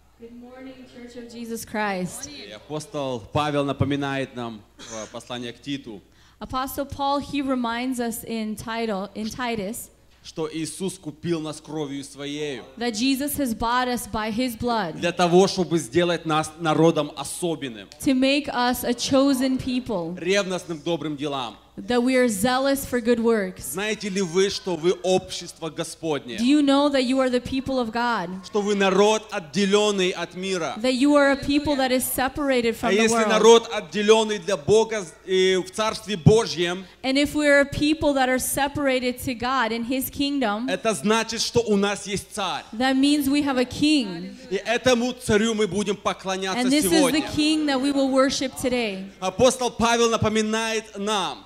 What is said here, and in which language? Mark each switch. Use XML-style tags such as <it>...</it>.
<en>Good morning, Church of Jesus Christ.</en> <ru>И апостол Павел напоминает нам в послании к Титу.</ru> <en>Apostle Paul, he reminds us in Titus.</en> <ru>Что Иисус купил нас кровью Своею.</ru> <en>That Jesus has bought us by His blood.</en> <ru>Для того, чтобы сделать нас народом особенным.</ru> <en>To make us a chosen people.</en> <ru>Ревностным добрым делам.</ru> <en>That we are zealous for good works.</en> <ru>Знаете ли вы, что вы общество Господне?</ru> <en>Do you know that you are the people of God?</en> <ru>Что вы народ, отделенный от мира?</ru> <en>That you are a people that is separated from the world.</en> <ru>А если народ, отделенный для Бога и в Царстве Божьем?</ru> <en>And if we are a people that are separated to God in His kingdom,</en> <ru>это значит, что у нас есть царь.</ru> <en>That means we have a king.</en> <ru>И этому царю мы будем поклоняться сегодня.</ru> <en>And this is the king that we will worship today.</en> <ru>Апостол Павел напоминает нам.</ru>